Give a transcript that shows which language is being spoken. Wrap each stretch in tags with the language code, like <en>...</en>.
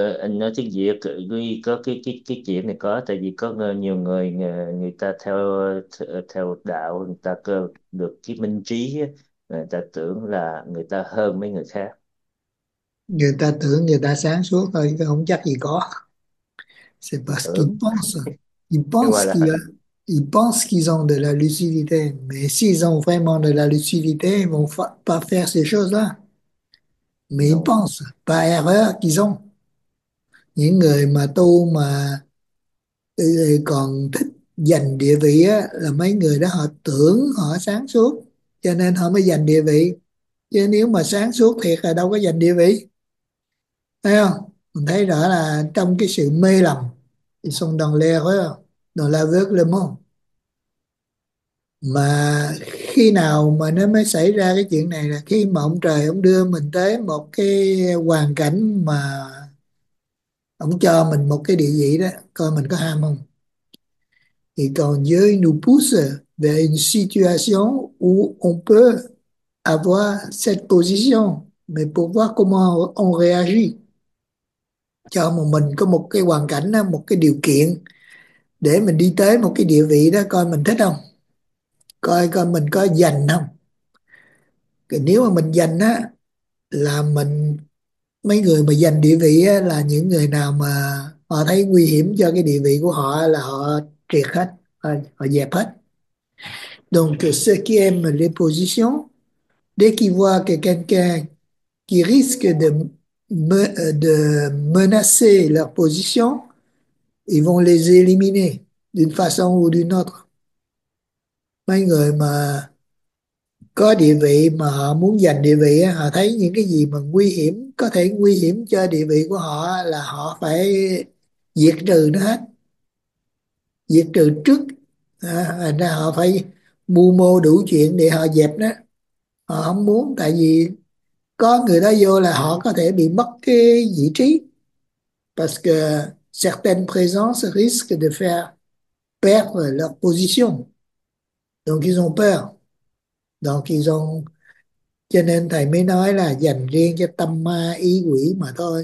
<vi>Nói tiếng Việt, người có cái chuyện này có, tại vì có nhiều người người ta theo theo đạo, người ta có được cái minh trí, người ta tưởng là người ta hơn mấy người khác. Người ta tưởng người ta sáng suốt thôi, không chắc gì có.</vi> <fr>C'est parce qu'ils</fr> <vi>Tưởng</vi> <fr>pensent. voilà. Ils pensent qu'ils ont de la lucidité. Mais s'ils ont vraiment de la lucidité, ils vont pas faire ces choses-là. Mais ils Non. pensent, par erreur qu'ils ont.</fr> <vi>Những người mà tu mà còn thích giành địa vị á, là mấy người đó họ tưởng họ sáng suốt cho nên họ mới giành địa vị. Chứ nếu mà sáng suốt thiệt là đâu có giành địa vị. Thấy không? Mình thấy rõ là trong cái sự mê lầm thì</vi> <fr>sont dans l'erreur, dans la veuglement.</fr> <vi>Mà khi nào mà nó mới xảy ra cái chuyện này là khi mà ông trời ông đưa mình tới một cái hoàn cảnh mà ông cho mình một cái địa vị đó coi mình có ham không thì còn dưới</vi> <fr>nous pousse vers une situation où on peut avoir cette position, mais pour voir comment on réagit.</fr> <vi>Cho mình có một cái hoàn cảnh, một cái điều kiện để mình đi tới một cái địa vị đó, coi mình thích không, coi coi mình có giành không. Thì nếu mà mình giành á, là mình mấy người mà giành địa vị á, là những người nào mà họ thấy nguy hiểm cho cái địa vị của họ là họ triệt hết, họ dẹp hết.</vi> <fr>Donc ceux qui aiment les positions, dès qu'ils voient que quelqu'un qui risque de menacer leur position, ils vont les éliminer d'une façon ou d'une autre.</fr> <vi>Mấy người mà có địa vị mà họ muốn giành địa vị, họ thấy những cái gì mà nguy hiểm, có thể nguy hiểm cho địa vị của họ là họ phải diệt trừ nó hết, diệt trừ trước. Thành ra họ phải mưu mô đủ chuyện để họ dẹp nó, họ không muốn, tại vì có người đó vô là họ có thể bị mất cái vị trí.</vi> <fr>Parce que certaines présences risquent de faire perdre leur position. Donc ils ont peur. Donc ils ont...</fr> <vi>Cho nên thầy mới nói là dành riêng cho tâm ma ý quỷ mà thôi.</vi>